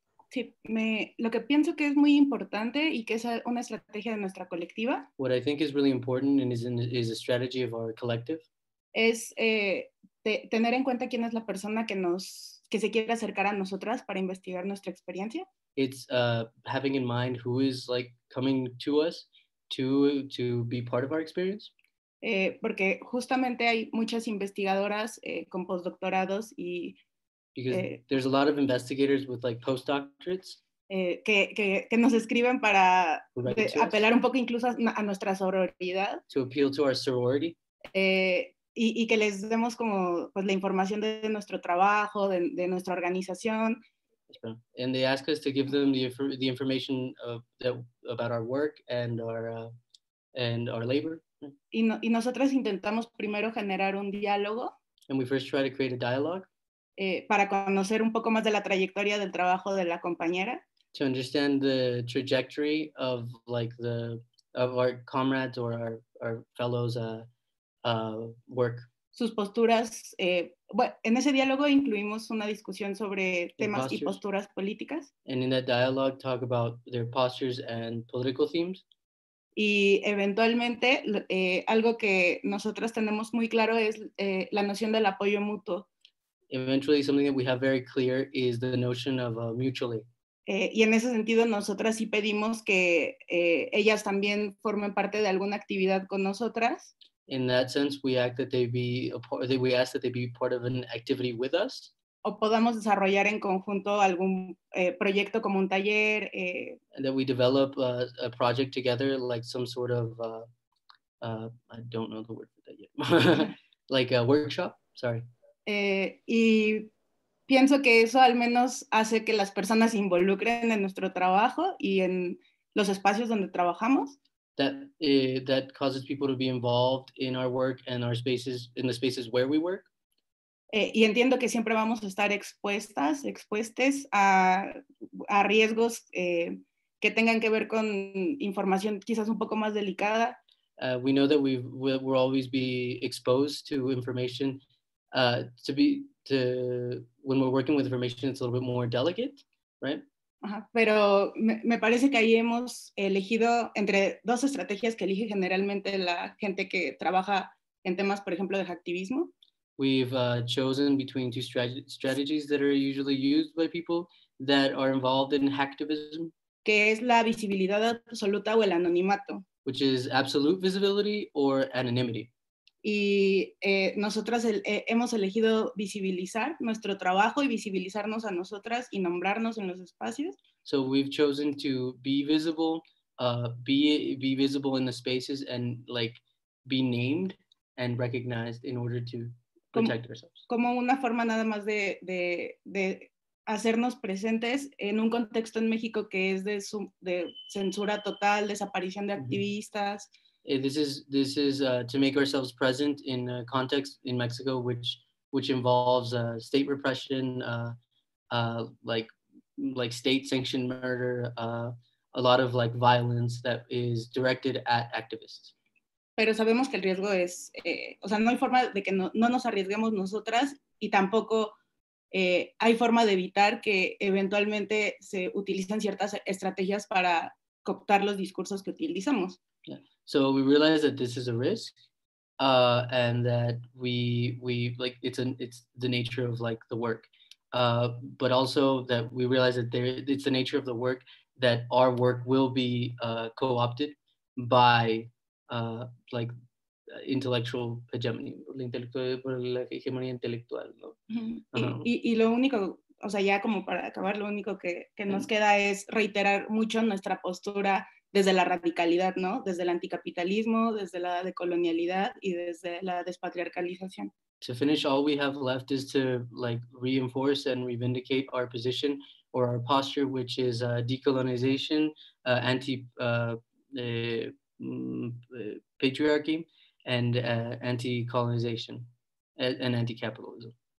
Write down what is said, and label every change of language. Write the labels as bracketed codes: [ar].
[es] Sí, lo que pienso que es muy importante y que es una estrategia de nuestra colectiva. [en] What I think is really important and is a strategy of our collective. [es] Es tener en cuenta quién es la persona que se quiere acercar a nosotras para investigar nuestra experiencia. [en] It's having in mind who is coming to us to be part of our experience. [es] Porque justamente hay muchas investigadoras con postdoctorados y [en] because there's a lot of investigators with postdoctorates [es] que nos escriben para apelar un poco incluso a nuestra sororidad, [en] to appeal to our sorority, [es] y que les demos como pues la información de nuestro trabajo, de nuestra organización. [en] And they ask us to give them the information about our work and our labor. [es] Y nosotros intentamos primero generar un diálogo. [en] And we first try to create a dialogue. [es] Para conocer un poco más de la trayectoria del trabajo de la compañera. [en] To understand the trajectory of of our comrades or our fellows' work. [es] Sus posturas, en ese diálogo incluimos una discusión sobre temas y posturas políticas. [en] And in that dialogue, talk about their postures and political themes. [es] Y eventualmente, algo que nosotras tenemos muy claro es la noción del apoyo mutuo. [en] Eventually, something that we have very clear is the notion of mutual aid. [es] Y en ese sentido, nosotras sí pedimos que ellas también formen parte de alguna actividad con nosotras. [en] In that sense, we ask that they be part of an activity with us. [es] o podamos desarrollar en conjunto algún proyecto como un taller. [en] That we develop a project together, like some sort of, I don't know the word for that yet, like a workshop, sorry. [es] Y pienso que eso al menos hace que las personas se involucren en nuestro trabajo y en los espacios donde trabajamos. [en] That that causes people to be involved in our work and our spaces, in the spaces where we work. [es] Y entiendo que siempre vamos a estar expuestas a riesgos que tengan que ver con información quizás un poco más delicada. [en] We know that we'll always be exposed to information when we're working with information, it's a little bit more delicate, right? [es] Ajá, pero me parece que ahí hemos elegido entre dos estrategias que elige generalmente la gente que trabaja en temas, por ejemplo, de activismo. [en] We've chosen between two strategies that are usually used by people that are involved in hacktivism. [es] Que es la visibilidad absoluta o el anonimato. [en] Which is absolute visibility or anonymity. [es] Y nosotras hemos elegido visibilizar nuestro trabajo y visibilizarnos a nosotras y nombrarnos en los espacios. [en] So we've chosen to be visible, be visible in the spaces and like be named and recognized in order to protect ourselves. [es] Como una forma nada más de hacernos presentes en un contexto en México que es de censura total, desaparición de activistas. Mm-hmm. [en] This is to make ourselves present in a context in Mexico which involves state repression, like state sanctioned murder, a lot of like violence that is directed at activists. [es] Pero sabemos que el riesgo es, o sea, no hay forma de que no nos arriesguemos nosotras y tampoco hay forma de evitar que eventualmente se utilicen ciertas estrategias para cooptar los discursos que utilizamos. [en] Yeah. So we realize that this is a risk, and that we like it's the nature of like the work, but also that we realize that it's the nature of the work that our work will be co-opted by like intellectual hegemony, intelectual. [es] ¿No? Uh-huh. Y lo único, o sea, ya como para acabar, lo único que nos queda es reiterar mucho nuestra postura. Desde la radicalidad, ¿no? Desde el anticapitalismo, desde la decolonialidad y desde la despatriarcalización. [en] To finish, all we have left is to like reinforce and revindicate our position or our posture, which is decolonization, anti-patriarchy, and anti-colonization and anti-capitalism.